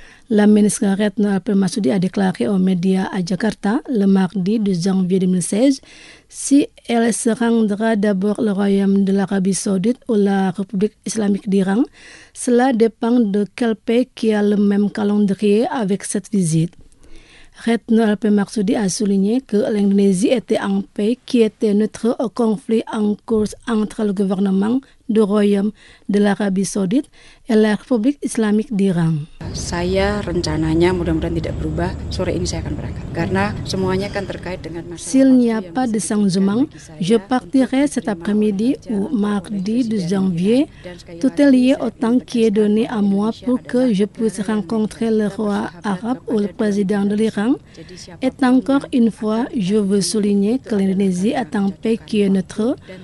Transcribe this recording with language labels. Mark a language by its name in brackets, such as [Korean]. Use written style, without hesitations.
[French] La ministre Retno Marsudi a déclaré aux médias à Jakarta le mardi 12 janvier 2016 si elle se rendra d'abord le royaume de l'Arabie Saoudite ou la République islamique d'Iran, cela dépend de quel pays qui a le même calendrier avec cette visite. Retno Alpemarsudi a souligné que l'Indonésie était en paix, qui était neutre au conflit en cours entre le gouvernement du Royaume de l'Arabie Saoudite et la République islamique d'Iran. [Indonesian] Saya rencananya mudah-mudahan tidak berubah. Sore ini saya akan berangkat. Karena semuanya kan terkait dengan masalah. [French] S'il n'y a pas de sanctions, je partirai cet après-midi ou mardi 12 janvier. Tout est lié au temps qui est donné à moi pour que je puisse rencontrer le roi arabe ou le président de l'Iran. Et encore une fois, je veux souligner que l'Indonésie est en paix qui est neutre.